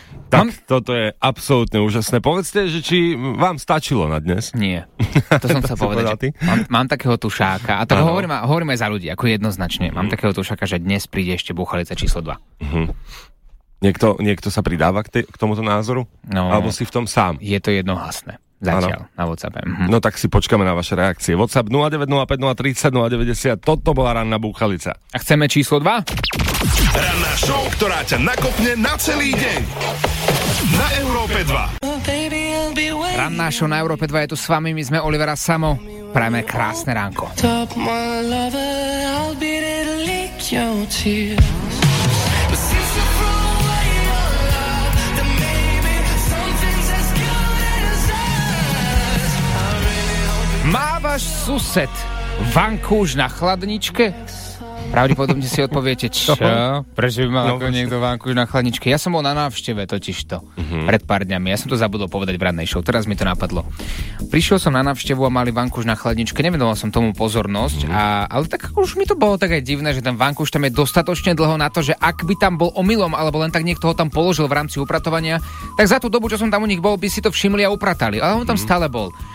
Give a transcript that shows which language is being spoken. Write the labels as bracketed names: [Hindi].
[Slovak] Tak toto je absolútne úžasné. Povedzte, že či vám stačilo na dnes? Nie. To som chcel povedať. Mám takého tušáka, a to hovorím aj za ľudí, ako jednoznačne. Mám takého tušáka, že dnes príde ešte búchalica číslo 2. Niekto sa pridáva k tomuto názoru? No, alebo si v tom sám? Je to jednohlasné. Zatiaľ, na WhatsAppe. No tak si počkáme na vaše reakcie. WhatsApp 0905 030 090. Toto bola ranná búchalica. A chceme číslo 2? Ranná show, ktorá ťa nakopne na celý deň. Na Európe 2. Ranná show na Európe 2 je tu s vami. My sme Olivera Samo. Prajeme krásne ránko. [English] Top my lover, I'll be there to lick your tears. [Slovak] Má váš sused vankúš na chladničke? Pravdepodobne si odpoviete, čo? Prečo by mal ako niekto vankúš na chladničke? Ja som bol na návšteve totižto. Pred pár dňami. Ja som to zabudol povedať v rannej show. Teraz mi to napadlo. Prišiel som na návštevu a mali vankúš na chladničke. Nevenoval som tomu pozornosť. Ale tak už mi to bolo také divné, že ten vankúš tam je dostatočne dlho na to, že ak by tam bol omylom, alebo len tak niekto ho tam položil v rámci upratovania, tak za tú dobu, čo som tam u nich bol, by si to všimli a upratali. Ale on tam stále bol.